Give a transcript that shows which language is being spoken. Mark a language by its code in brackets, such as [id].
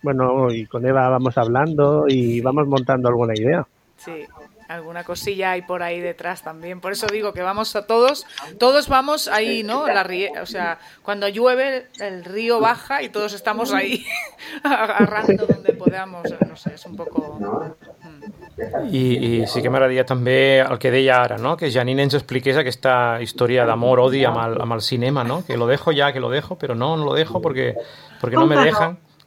[es] Bueno, y con Eva vamos hablando y vamos montando alguna idea. Sí, alguna cosilla hay por ahí detrás también. Por eso digo que vamos a todos vamos ahí, ¿no? O sea, cuando llueve el río baja y todos estamos ahí agarrando donde podamos. No sé, es un poco... [ca] I sí que m'agradaria també el que deia ara, no? Que Janine ens expliqués aquesta història d'amor-odi amb el cinema, no? [es] Que lo dejo ya, que lo dejo, pero no lo dejo porque no me dejan.